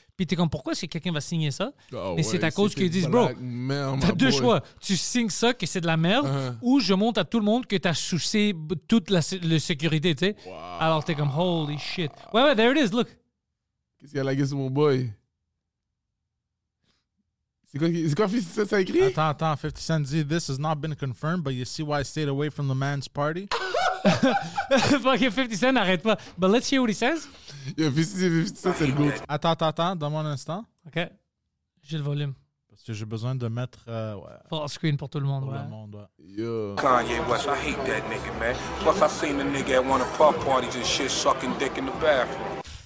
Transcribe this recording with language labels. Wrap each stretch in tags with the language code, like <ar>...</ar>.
<fr>Puis t'es comme, pourquoi est-ce que quelqu'un va signer ça? Mais c'est à cause qu'ils disent, bro, t'as deux choix. Tu signes ça, que c'est de la merde, ou je montre à tout le monde que t'as soucié toute la sécurité, tu sais.</fr> <en>Wow.</en> <fr>Alors t'es comme,</fr> <en>holy shit.</en> <fr>Ouais,</fr> <en>there it is, look.</en> <fr>Qu'est-ce qu'il y a lagué sur mon boy? C'est quoi, ça écrit? Attends, 50 Cent dit,</fr> <en>this has not been confirmed, but you see why I stayed away from the man's party?</en> <fr>Fucking 50 Cent, arrête pas.</fr> <en>But let's hear what he says.</en> <fr>Yo, 50 Cent, c'est le goût. Attends, donne-moi un instant. OK. J'ai le volume. Parce que j'ai besoin de mettre... Full screen pour tout le monde. Pour ouais. Le monde, ouais. Yo.</fr> <en>Kanye West, I hate that nigga, man. Plus, I seen a nigga at one of pub parties and shit sucking dick in the bathroom.</en>